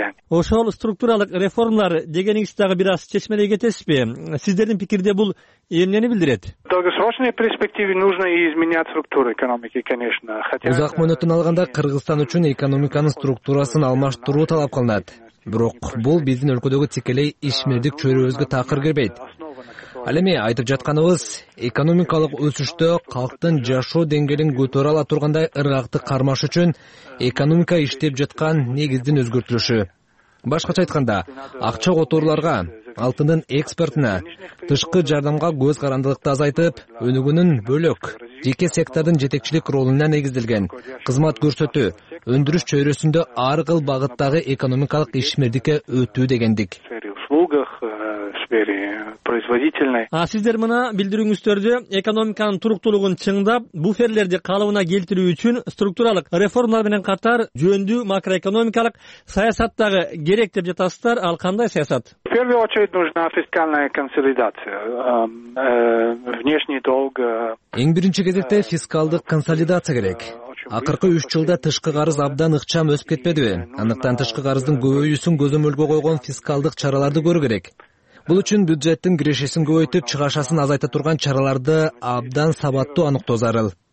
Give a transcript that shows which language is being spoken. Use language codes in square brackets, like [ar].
[ky] Ошол структуралык реформалар дегениңиз дагы бир аз чечмелей кетесизби? Сиздердин пикирде бул эмнени билдирет? [ru] В долгосрочной перспективе нужно изменять структуру экономики, конечно. [ky] Узак мөөнөттөн алганда Кыргызстан үчүн экономиканын структурасын алмаштыруу талап кылынат. Бирок бул биздин өлкөдөгү тикелей ишмердик чөйрөбүзгө такыр кирбейт. Ал эми айтып жатканыбыз экономикалык өсүштө калктын жашоо деңгээлин көтөрө ала тургандай ыргакты кармаш үчүн экономика иштеп жаткан негиздин өзгөртүлүшү. Башкача айтканда, акча которуларга, алтындын экспортуна, тышкы жардамга көз карандылыкты азайтып, өнүгүүнүн бөлөк жеке сектордун жетекчилик ролуна негизделген кызмат көрсөтүү, өндүрүш чөйрөсүндө ар кыл багыттагы экономикалык ишмердикке өтүү дегендик. А сиздер мына билдирүүңүздөрдү экономиканын туруктуулугун чыңдап, буферлерди калыбына келтирүү үчүн структуралык реформалар менен катар жөндүү макроэкономикалык саясат дагы керек деп жатасыздар. Ал кандай саясат? [ru] В первую очередь нужна фискальная консолидация. Внешний долг. [ky] Эң биринчи кезекте фискалдык консолидация керек. Акыркы 3 жылда тышкы карыз абдан ыкчам өсүп кетпедиби? Андыктан тышкы карыздын көбөйүүсүн көзөмөлгө койгон фискалдык чараларды көрүү керек. Бул үчүн бюджеттин кирешесин көбөйтүп, чыгашасын азайта турган чараларды абдан сабаттуу аныктоо зарыл.